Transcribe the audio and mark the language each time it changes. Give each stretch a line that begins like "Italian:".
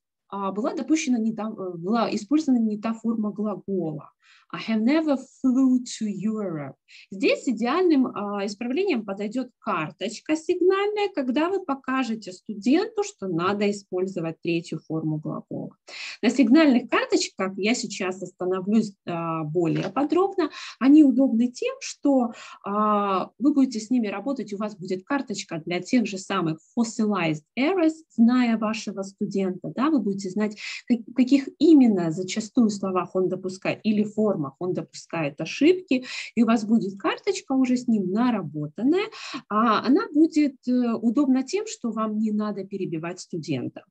Russian: Была допущена не та, была использована не та форма глагола.
English: I have never flew to Europe.
Russian: Здесь идеальным исправлением подойдет карточка сигнальная, когда вы покажете студенту, что надо использовать третью форму глагола. На сигнальных карточках я сейчас остановлюсь более подробно. Они удобны тем, что вы будете с ними работать, у вас будет карточка для тех же самых fossilized errors, зная вашего студента, да, вы будете знать, каких именно зачастую словах он допускает или формах он допускает ошибки, и у вас будет карточка уже с ним наработанная, а она будет удобна тем, что вам не надо перебивать студента.